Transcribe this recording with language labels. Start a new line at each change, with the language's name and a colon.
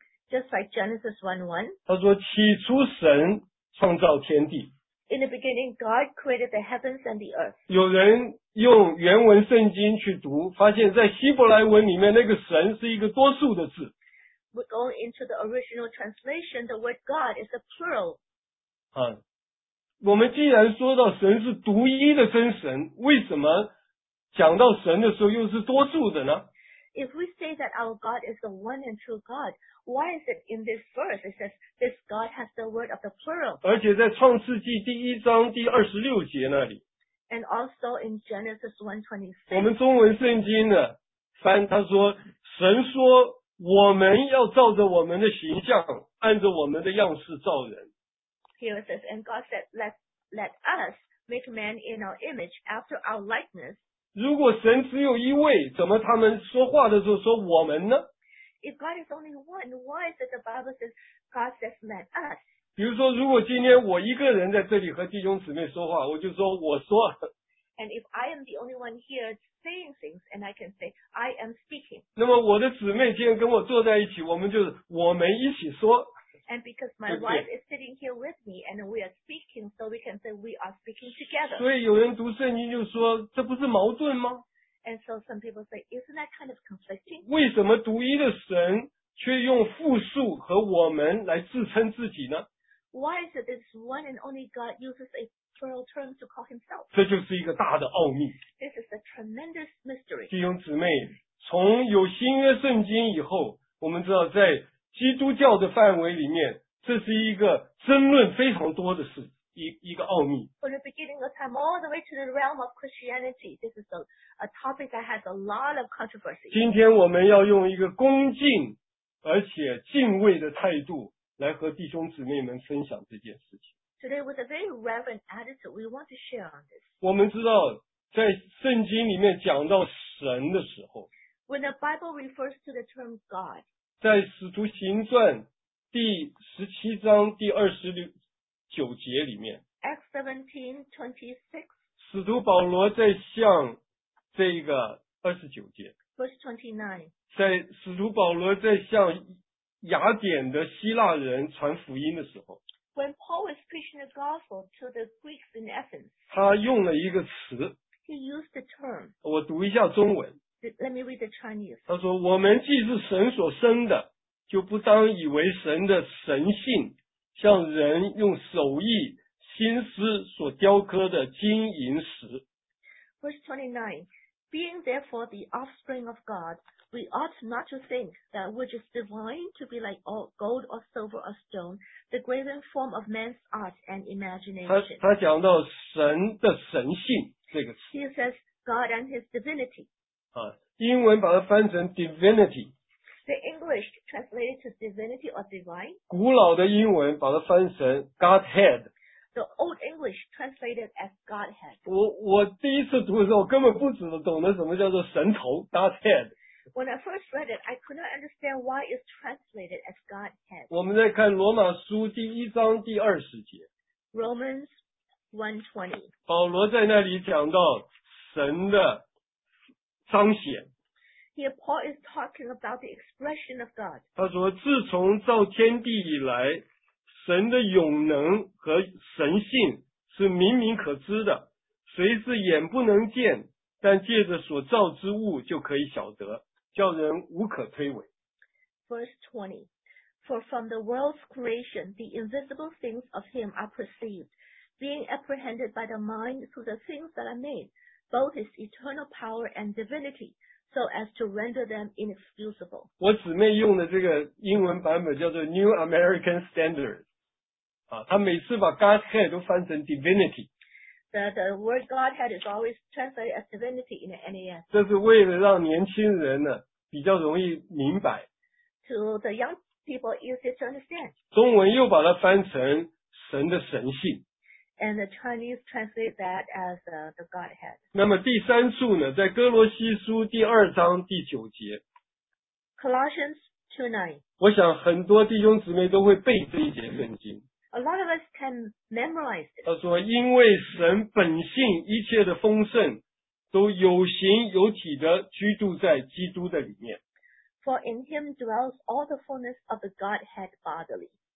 English: Just like Genesis 1:1.
Chinese: 他说起初神创造天地。
English: In the beginning, God created the heavens and the earth.
Chinese: 有人用原文圣经去读，发现在希伯来文里面那个神是一个多数的字。
English: We're going into the original translation, the word God is a plural.
Chinese: 我们既然说到神是独一的真神，为什么讲到神的时候又是多数的呢？
English: If we say that our God is the one and true God, why is it in this verse? It says this God has the word of the plural.
Chinese: 而且在创世纪第一章第二十六节那里。
English: And also in Genesis 1:26.
Chinese: 我们中文圣经呢，翻他说神说我们要照着我们的形象，按着我们的样式造人。
English: Here it says, and God said, let us make man in our image, after our likeness.
Chinese: 如果神只有一位，怎么他们说话的时候说我们呢？
English: If God is only one, why is it the Bible says, God says, let us?
Chinese: 比如说，如果今天我一个人在这里和弟兄姊妹说话，我就说我说。
English: And if I am the only one here saying things, and I can say, I am speaking.
Chinese: 那么我的姊妹今天跟我坐在一起，我们就我们一起说。
English: And because my wife is sitting here with me, and we are speaking, so we can say we are speaking together.
Chinese: 所以有人读圣经就说，这不是矛盾吗？
English: And so some people say, isn't that kind of conflicting?
Chinese: 为什么独一的神却用复数和我们来自称自己呢？
English: Why is it this one and only God uses a plural term to call himself?
Chinese: 这就是一个大的奥秘。
English: This is a tremendous mystery.
Chinese: 弟兄姊妹，从有新约圣经以后，我们知道在基督教的范围里面，这是一个争论非常多的事，一个奥秘。
English: From the beginning of time all the way to the realm of Christianity, this is a topic that has a lot of controversy.
Chinese: 今天我们要用一个恭敬而且敬畏的态度来和弟兄姊妹们分享这件事情。
English: Today with a very reverent attitude, we want to share on this.
Chinese: 我们知道在圣经里面讲到神的时候，
English: When the Bible refers to the term God,
Chinese: 在使徒行传第十七章第二十九节里面
English: Acts 17:26
Chinese: 使徒保罗在向这个二十九节
English: Verse 29
Chinese: 在使徒保罗在向雅典的希腊人传福音的时候
English: When Paul was preaching the gospel to the Greeks in Athens
Chinese: 他用了一个词
English: He used the term
Chinese: 我读一下中文
English: Let me read the Chinese.
Chinese: 他说我们既是神所生的就不当以为神的神性像人用手艺心思所雕刻的金银石。
English: Verse 29, Being therefore the offspring of God, we ought not to think that which is divine to be like gold or silver or stone, the graven form of man's art and imagination.
Chinese: 他讲到神的神性这个词。
English: He says God and his divinity.
Chinese: 英文把它翻成 divinity.
English: The English translated to divinity or divine.
Chinese: 古老的英文把它翻成 Godhead.
English: The old English translated as Godhead.
Chinese: 我第一次读的时候，我根本不知道懂得什么叫做神头 Godhead.
English: When I first read it, I could not understand why it's translated as Godhead.
Chinese: 我们再看罗马书第一章第二十节。
English: Romans 1:20.
Chinese: 保罗在那里讲到神的。彰显。
English: Here Paul is talking about the expression of God.
Chinese: 他说自从造天地以来神的永能和神性是明明可知的谁是眼不能见但借着所造之物就可以晓得叫人无可推诿。
English: Verse 20 For from the world's creation the invisible things of him are perceived being apprehended by the mind through the things that are made. Both his eternal power and divinity, so as to render them inexcusable.
Chinese: 我姊妹用的这个英文版本叫做 New American Standard. 她每次把 Godhead 都翻成 divinity.
English: The word Godhead is always translated as divinity in the NAS.
Chinese: 这是为了让年轻人呢比较容易明白。
English: To the young people easier to understand.
Chinese: 中文又把它翻成神的神性。
English: And the Chinese translate that as the Godhead.
Chinese: 那么第三处呢，在哥罗西书第二章第九节。
English: Colossians 2:9.
Chinese: 我想很多弟兄姊妹都会背这一节圣经。
English: A lot of us can memorize this.
Chinese: 他说，因为神本性一切的丰盛都有形有体的居住在基督的里面。
English: For in him dwells all the fullness of the Godhead bodily.